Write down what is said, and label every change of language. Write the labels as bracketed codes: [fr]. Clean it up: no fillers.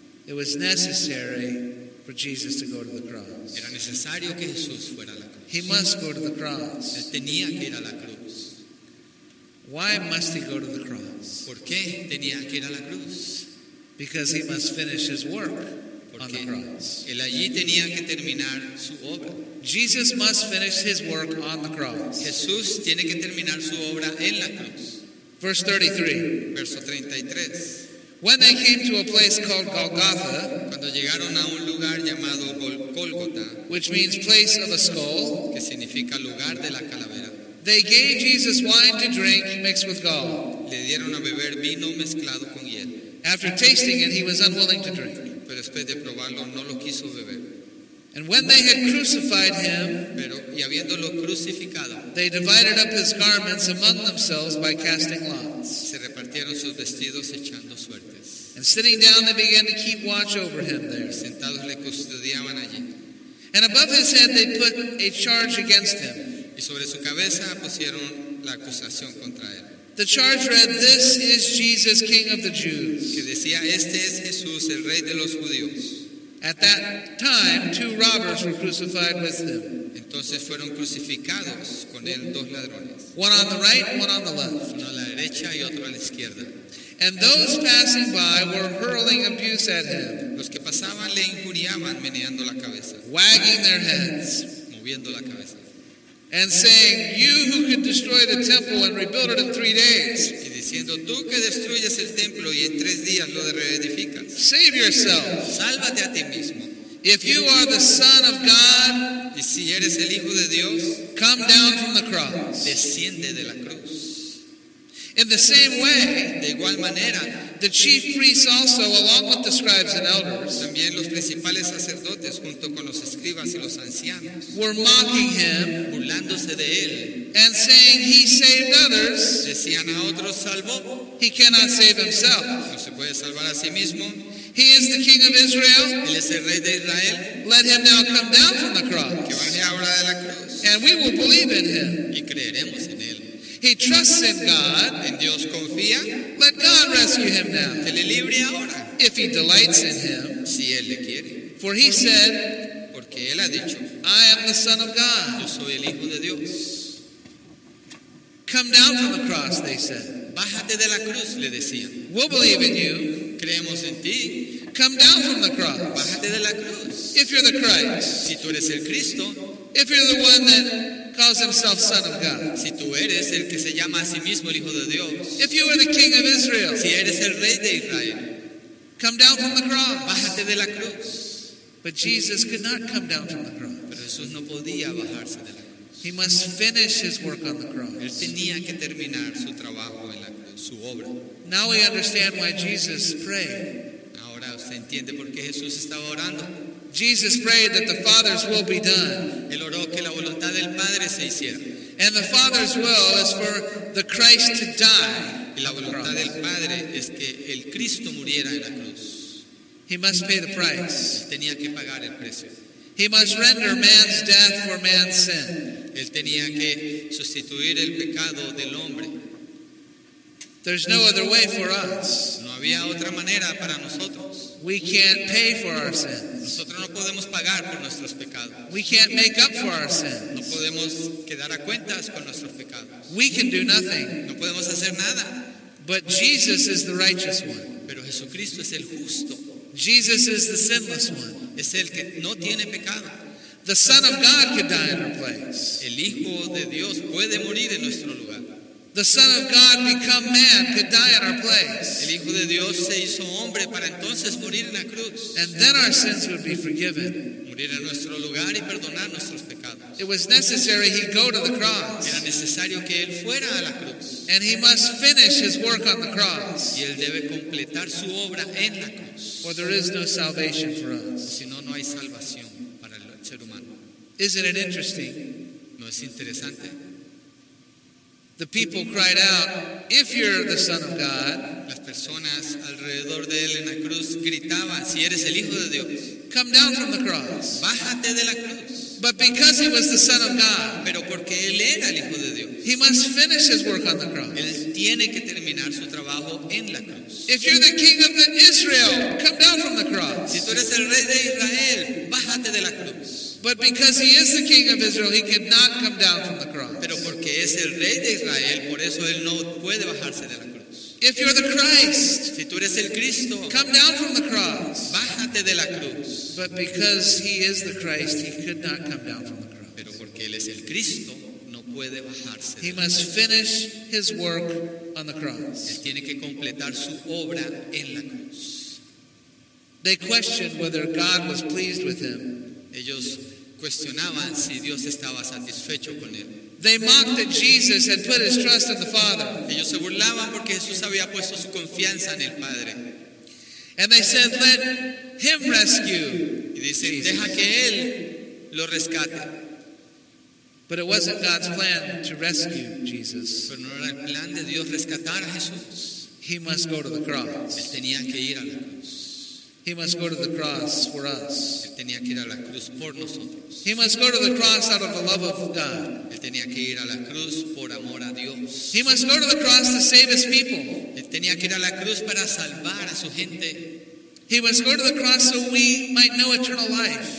[en] It was necessary for Jesus to go to the cross. [es] Era necesario que Jesús fuera a la cruz. [en] He must go to the cross. [es] Él tenía que ir a la cruz. [en] Why must he go to the cross? [es] ¿Por qué tenía que ir a la cruz? [en] Because he must finish his work. [es] Porque [en] on the cross. [es] Él allí tenía que terminar su obra. [en] Jesus must finish his work on the cross. [es] Jesús tiene que terminar su obra en la cruz. [en] Verse 33. [es] Verso 33. [en] When they came to a place called Golgotha, [es] cuando llegaron a un lugar llamado Golgotha, [en] which means place of a skull, [es] que significa lugar de la calavera, [en] they gave Jesus wine to drink mixed with gall. [es] Le dieron a beber vino mezclado con hiel. [en] After tasting it, he was unwilling to drink. [es] Pero después de probarlo, no lo quiso beber. [en] And when they had crucified him, they divided up his garments among themselves by casting lots. [es] Se repartieron sus vestidos echando suertes. [en] And sitting down, they began to keep watch over him there. [es] Sentados le custodiaban allí. [en] And above his head, they put a charge against him. [es] Y sobre su cabeza pusieron la acusación contra él. [en] The charge read, "This is Jesus, King of the Jews." [es] Que decía, "Este es Jesús, el Rey de los Judíos." [en] At that time, two robbers were crucified with him. [es] Entonces fueron crucificados con él dos ladrones. [en] One on the right, one on the left. [es] Uno a la derecha y otro a la izquierda. [en] And those passing by were hurling abuse at him. [es] Los que pasaban le injuriaban meneando la cabeza. [en] Wagging their heads. [es] Moviendo la cabeza. [en] And saying, "You who could destroy the temple and rebuild it in 3 days." [es] Y diciendo, tú que destruyes el templo y en tres días lo reedificas. [en] Save yourself. [es] Sálvate a ti mismo. [en] If you are the Son of God, [es] y si eres el Hijo de Dios, [en] come down from the cross. [es] Desciende de la cruz. [en] In the same way, [es] de igual manera, [en] the chief priests also, along with the scribes and elders, [es] también los principales sacerdotes, junto con los escribas y los ancianos, [en] were mocking him, [es] burlándose de él, [en] and saying, "He saved others, [es] decían a otros, salvó. [en] He cannot save himself. [es] No se puede salvar a sí mismo. [en] He is the King of Israel. [es] Él es el Rey de Israel. [en] Let him now come down from the cross. [es] Que baje ahora de la cruz. [en] And we will believe in him." [es] Y creeremos en él. [en] He trusts in God. [es] En Dios confía. [en] Let God rescue him now. [es] Que le libre ahora. [en] If he delights in him. [es] Si él le quiere. [en] For he said, [es] porque él ha dicho, [en] "I am the Son of God." [es] Yo soy el Hijo de Dios. [en] "Come down from the cross," they said. [es] Bájate de la cruz, le decían. [en] "We'll believe in you." [es] Creemos en ti. [en] "Come down from the cross." [es] Bájate de la cruz. [en] "If you're the Christ." [es] Si tú eres el Cristo. [en] "If you're the one that calls himself Son of God." [es] Si tú eres el que se llama a sí mismo el Hijo de Dios. [en] "If you are the King of Israel." [es] Si eres el Rey de Israel. [en] "Come down from the cross." [es] Bájate de la cruz. [en] But Jesus could not come down from the cross. [es] Pero Jesús no podía bajarse de la cruz. [en] He must finish his work on the cross. [es] Él tenía que terminar su trabajo en la cruz, su obra. [en] Now we understand why Jesus prayed. [es] Ahora usted entiende por qué Jesús estaba orando. [en] Jesus prayed that the Father's will be done. [es] Él oró que la voluntad del Padre se hiciera. [en] And the Father's will is for the Christ to die. [es] Y la voluntad del Padre es que el Cristo muriera en la cruz. [en] He must pay the price. [es] Tenía que pagar el precio. [en] He must render man's death for man's sin. [es] Él tenía que sustituir el pecado del hombre. [en] There's no other way for us. [es] No había otra manera para nosotros. [en] We can't pay for our sins. [es] Nosotros no podemos pagar por nuestros pecados. [en] We can't make up for our sins. [es] No podemos quedar a cuentas con nuestros pecados. [en] We can do nothing. [es] No podemos hacer nada. [en] But Jesus is the righteous one. [es] Pero Jesucristo es el justo. [en] Jesus is the sinless one. [es] Es el que no tiene pecado. [en] The Son of God could die in our place. [es] El Hijo de Dios puede morir en nuestro lugar. [en] The Son of God become man could die in our place. [es] El Hijo de Dios se hizo hombre para entonces morir en la cruz. [en] And then our sins would be forgiven. [es] Morir en nuestro lugar y perdonar nuestros pecados. [en] It was necessary he go to the cross. [es] Era necesario que él fuera a la cruz. [en] And he must finish his work on the cross. [es] Y él debe completar su obra en la cruz. [en] For there is no salvation for us. [es] Si no, no hay salvación para el ser humano. [en] Isn't it interesting? [es] ¿No es interesante? [en] The people cried out, "If you're the Son of God." [es] Las personas alrededor de él en la cruz gritaban, "Si eres el Hijo de Dios." [en] "Come down from the cross." [es] Bájate de la cruz. [en] But because he was the Son of God. [es] Pero porque él era el Hijo de Dios. [en] He must finish his work on the cross. [es] Él tiene que terminar su trabajo en la cruz. [en] "If you're the King of Israel, come down from the cross." [es] Si tú eres el Rey de Israel, bájate de la cruz. [en] But because he is the King of Israel, he could not come down from the cross. [es] Pero porque es el Rey de Israel, por eso él no puede bajarse de la cruz. [en] "If you're the Christ, [es] si tú eres el Cristo, [en] come down from the cross." [es] Bájate de la cruz. [en] But because he is the Christ, he could not come down from the cross. [es] Pero porque él es el Cristo, no puede bajarse de la cruz. [en] He must finish his work on the cross. [es] Él tiene que completar su obra en la cruz. [en] They questioned whether God was pleased with him. [es] Ellos cuestionaban si Dios estaba satisfecho con él. [en] They mocked that Jesus had put his trust in the Father. [es] Ellos se burlaban porque Jesús había puesto su confianza en el Padre. [en] And they said, "Let him rescue." [es] Y dicen, "Deja que él lo rescate. [en] But it wasn't God's plan to rescue Jesus. [es] Pero no era el plan de Dios rescatar a Jesús. [en] He must go to the cross. [es] Él tenía que ir a la cruz. [en] He must go to the cross for us. [es] Él tenía que ir a la cruz por nosotros. [en] He must go to the cross out of the love of God. [es] Él tenía que ir a la cruz por amor a Dios. [en] He must go to the cross to save his people. [es] Él tenía que ir a la cruz para salvar a su gente. [en] He must go to the cross so we might know eternal life.